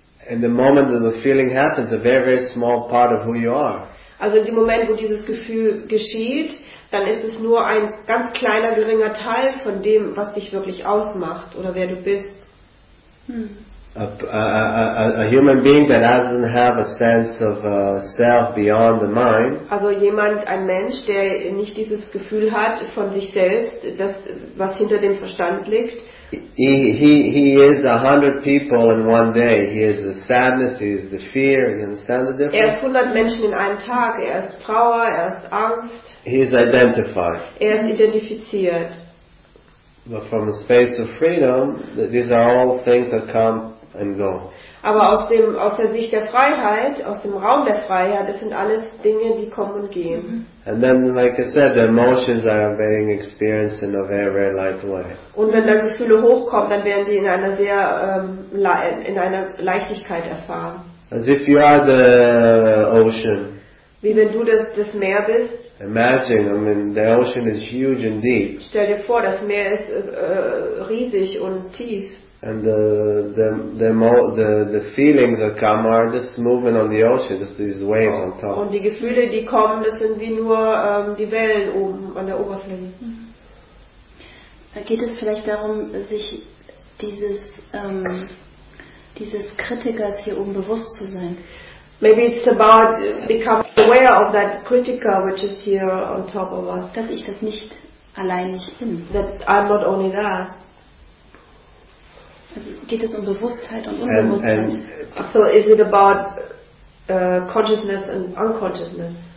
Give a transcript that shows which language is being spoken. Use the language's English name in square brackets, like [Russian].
[English] In the moment that the feeling happens, a very, very small part of who you are. [German] Also in dem Moment, wo dieses Gefühl geschieht, dann ist es nur ein ganz kleiner, geringer Teil von dem, was dich wirklich ausmacht oder wer du bist. [English] A human being that doesn't have a sense of self beyond the mind. [German] Also jemand, ein Mensch, der nicht dieses Gefühl hat von sich selbst, das, was hinter dem Verstand liegt. [English] He is 100 people in one day. He is the sadness, he is the fear, you understand the difference? [German] Er ist 100 Menschen in einem Tag. Er ist Trauer, er ist Angst. [English] He is identified. [German] Er ist identifiziert. [English] But from the space of freedom, these are all things that come and go. [German] Aber aus der Sicht der Freiheit, aus dem Raum der Freiheit, das sind alles Dinge, die kommen und gehen. [English] And then, like I said, the emotions are being experienced in a very, very light way. [German] Und wenn dann Gefühle hochkommen, dann werden die in einer sehr in einer Leichtigkeit erfahren. [English] As if you are the ocean. [German] Wie wenn du das Meer bist. [English] Imagine, I mean, the ocean is huge and deep. [German] Stell dir vor, das Meer ist riesig und tief. [English] And the feelings that come are just moving on the ocean, just these waves on top. [German] Und die Gefühle, die kommen, das sind wie nur die Wellen oben an der Oberfläche. Da geht es vielleicht darum, sich dieses Kritikers hier oben bewusst zu sein. [English] Maybe it's about becoming aware of that critical which is here on top of us. [German] Dass ich das nicht alleinig bin. [English] That I'm not only that. [German] Also geht es um Bewusstheit und Unbewusstheit? [English] And so is it about consciousness and unconsciousness?